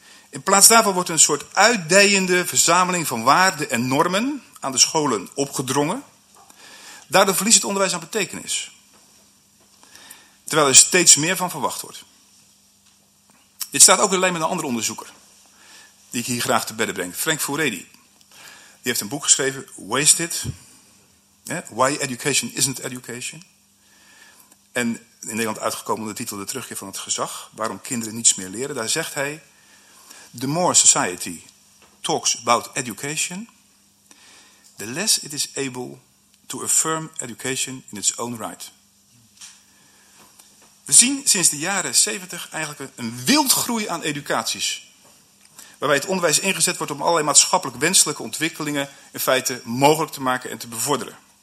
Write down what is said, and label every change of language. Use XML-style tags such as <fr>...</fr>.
<nl>In plaats daarvan wordt een soort uitdijende verzameling van waarden en normen aan de scholen opgedrongen. Daardoor verliest het onderwijs aan betekenis. Terwijl er steeds meer van verwacht wordt. Dit staat ook in lijn met een andere onderzoeker, die ik hier graag te bedden breng. Frank Furedi. Die heeft een boek geschreven, Wasted.</nl> <en>Why Education Isn't Education.</en> <nl>En in Nederland uitgekomen onder de titel De Terugkeer van het Gezag. Waarom kinderen niets meer leren. Daar zegt hij:</nl> <en>the more society talks about education, the less it is able to affirm education in its own right.</en> <nl>We zien sinds de jaren 70 eigenlijk een wild groei aan educaties, waarbij het onderwijs ingezet wordt om allerlei maatschappelijk wenselijke ontwikkelingen in feite mogelijk te maken en te bevorderen.</nl>